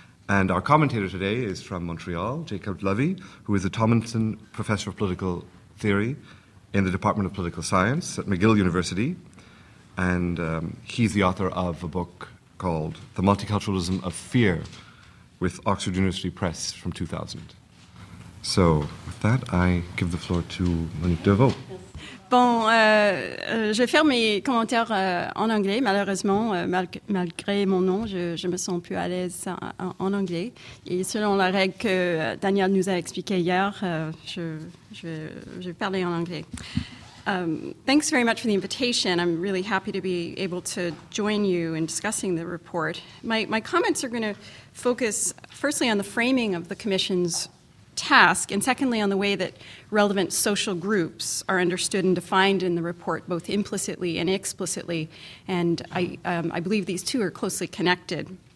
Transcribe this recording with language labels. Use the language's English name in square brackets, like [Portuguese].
[English] And our commentator today is from Montreal, Jacob Levy, who is a Tomlinson Professor of Political Theory in the Department of Political Science at McGill University. And he's the author of a book called The Multiculturalism of Fear with Oxford University Press from 2000. So with that, I give the floor to Monique DeVos. [French] Bon, je vais faire mes commentaires en anglais, malheureusement, malgré mon nom, je me sens plus à l'aise en anglais. Et selon la règle que Daniel nous a expliquée hier, je vais parler en anglais. [English] Thanks very much for the invitation. I'm really happy to be able to join you in discussing the report. My comments are going to focus firstly on the framing of the commission's task, and secondly, on the way that relevant social groups are understood and defined in the report, both implicitly and explicitly, and I believe these two are closely connected.